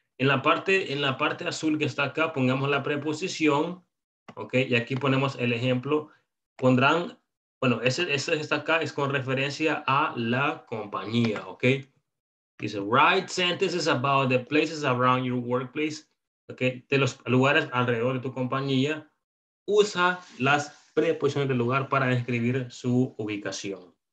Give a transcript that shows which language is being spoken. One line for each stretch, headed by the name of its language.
Spanish: En la parte azul que está acá, pongamos la preposición. Ok, y aquí ponemos el ejemplo. Pondrán, bueno, ese que está acá es con referencia a la compañía.
English: Ok,
Spanish: dice,
English: write sentences about the places around your workplace.
Spanish: Ok, de los lugares alrededor de tu compañía. Usa las preposiciones del lugar para describir su ubicación.